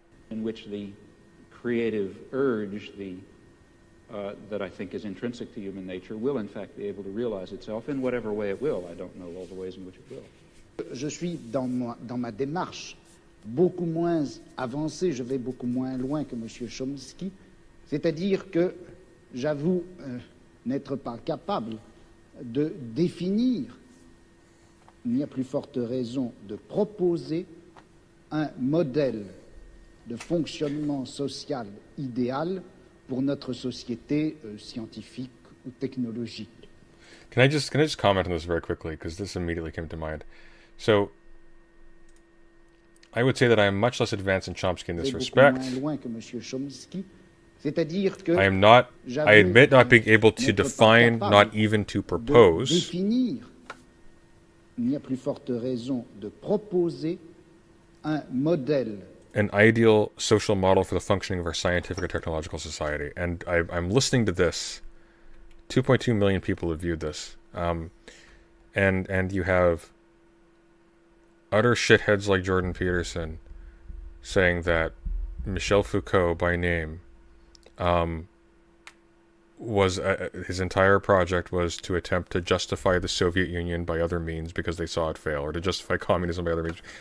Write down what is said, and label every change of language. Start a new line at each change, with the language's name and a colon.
English: In which the creative urge, that I think is intrinsic to human nature, will in fact be able to realize itself in whatever way it will. I don't know all the ways in which it will.
French: Je suis dans ma démarche beaucoup moins avancée. Je vais beaucoup moins loin que Monsieur Chomsky. C'est-à-dire que j'avoue n'être pas capable de définir, ni à plus forte raison, de proposer un modèle de fonctionnement social idéal pour notre société scientifique ou technologique.
English: Can I just comment on this very quickly, because this immediately came to mind. So I would say that I am much less advanced than Chomsky in this respect.
French: Beaucoup moins loin que Monsieur Chomsky. C'est-à-dire que
English: I am not, I admit not being able to define, not even to propose.
French: De définir, il n'y a plus forte raison de proposer un modèle,
English: an ideal social model for the functioning of our scientific and technological society. And I'm listening to this. 2.2 million people have viewed this. And you have utter shitheads like Jordan Peterson saying that Michel Foucault by name his entire project was to attempt to justify the Soviet Union by other means because they saw it fail, or to justify communism by other means.